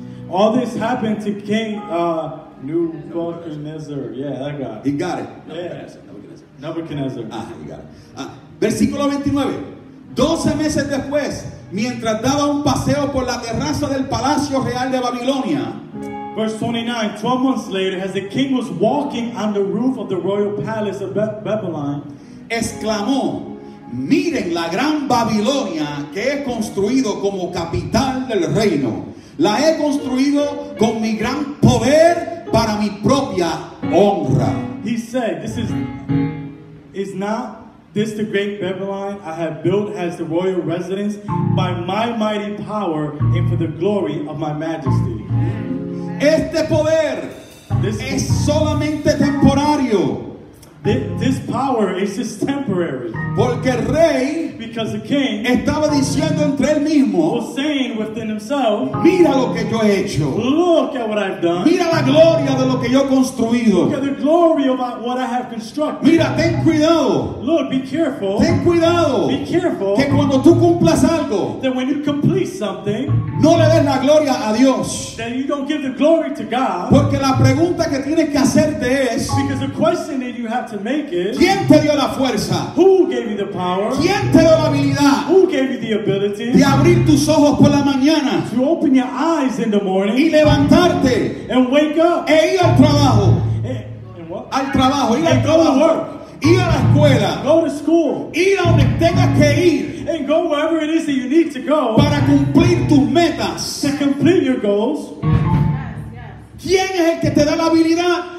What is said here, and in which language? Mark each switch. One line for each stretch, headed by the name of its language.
English: All this happened to King Nebuchadnezzar. Yeah, that guy. He got it. Yeah. Nebuchadnezzar. Nebuchadnezzar. Ah, he got it.
Spanish: Versículo 29. 12 meses después, mientras daba un paseo por la terraza del Palacio Real de Babilonia.
English: Verse 29. 12 months later, as the king was walking on the roof of the royal palace of Babylon,
Spanish: exclamó, miren la gran Babilonia que he construido como capital del reino. La he construido con mi gran poder para mi propia honra.
English: He said, this is not this the great Babylon I have built as the royal residence by my mighty power and for the glory of my majesty.
Spanish: Este poder this, es solamente temporario.
English: This power is just temporary.
Spanish: Porque el rey,
English: because the king,
Spanish: estaba diciendo entre él mismo,
English: was saying within himself,
Spanish: mira lo que yo he hecho.
English: Look at what I've done.
Spanish: Mira la gloria de lo que yo he construido.
English: Look at the glory of what I have constructed.
Spanish: Mira, ten cuidado.
English: Look, be careful.
Spanish: Ten cuidado.
English: Be careful.
Spanish: Que cuando tú cumplas algo,
English: that when you complete something,
Spanish: no le des la gloria a Dios.
English: That you don't give the glory to God.
Spanish: Porque la pregunta que tienes que hacerte es,
English: because the question that you have to make is,
Spanish: ¿quién te dio la fuerza?
English: Who gave you the power?
Spanish: ¿Quién te dio la habilidad?
English: Who gave you the ability?
Spanish: De abrir tus ojos por la mañana.
English: To open your eyes in the morning.
Spanish: Y levantarte.
English: And wake up.
Spanish: E ir al trabajo.
English: And what?
Spanish: Al trabajo. Ir al
English: go
Spanish: trabajo.
English: To work.
Spanish: Ir a la escuela.
English: Go to school.
Spanish: Ir a donde tengas que ir.
English: And go wherever it is that you need to go.
Spanish: Para cumplir tus metas.
English: To complete your goals.
Spanish: ¿Quién es el que te da la habilidad?